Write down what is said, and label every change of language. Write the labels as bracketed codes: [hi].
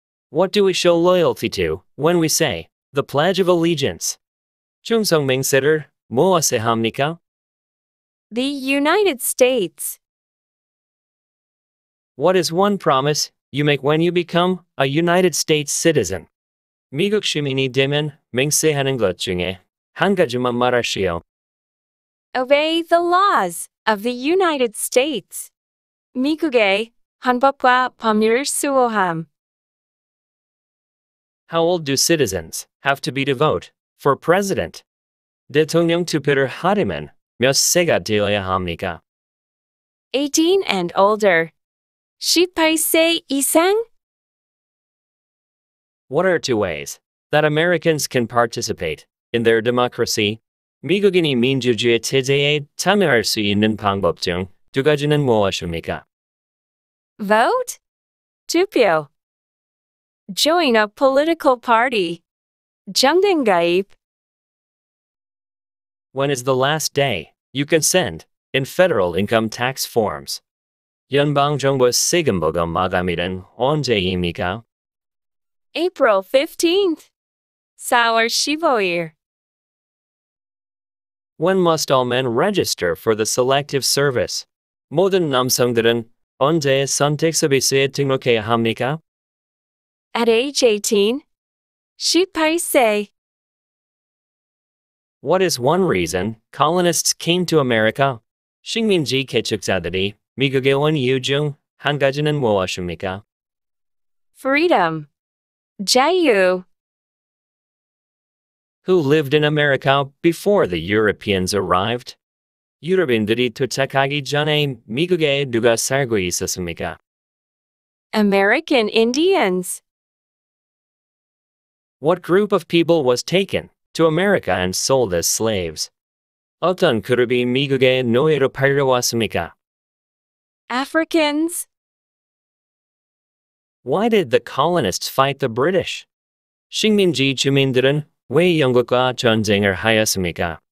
[en] What do we show loyalty to when we say the Pledge of Allegiance? [ko] 충성 맹세를 무엇에 합니까? [en] The United States. What is one promise you make when you become a United States citizen? [ko] 미국 시민이 되면 맹세하는 것 중에 한 가지만 말하시오. [en] Obey the laws of the United States. [ko] 미국의 헌법과 법률을 수호함. [en] How old do citizens have to be to vote for president? [ko] 대통령 투표를 하려면 몇 세가 되어야 합니까? [en] 18 and older. [ko] 18세 이상? [en] What are two ways that Americans can participate in their democracy? [ko] 미국인이 민주주의 체제에 참여할 수 있는 방법 중 두 가지는 무엇입니까? [en] Vote? [ko] 투표. [en] Join a political party. [ko] 정당 가입. [en] When is the last day you can send in federal income tax forms? [ko] 연방정부 세금보고 마감일은 언제입니까? [en] April 15th. [ko] 4월 15일. [en] When must all men register for the selective service? [ko] 모든 남성들은 언제 선택 서비스에 등록해야 합니까? [en] At age 18, should I say? What is one reason colonists came to America? [ko] 식민지 개척자들이 미국에 온 이유 중 한 가지는 무엇입니까? [en] Freedom. [ko] 자유. [en] Who lived in America before the Europeans arrived? [ko] 유럽인들이 도착하기 전에 미국에 누가 살고 있었습니까? [en] American Indians. What group of people was taken to America and sold as slaves? [ko] 어떤 그룹이 미국에 노예로 팔려왔습니까? [en] Africans. Why did the colonists fight the British? [ko] 식민지 주민들은 왜 영국과 전쟁을 하였습니까?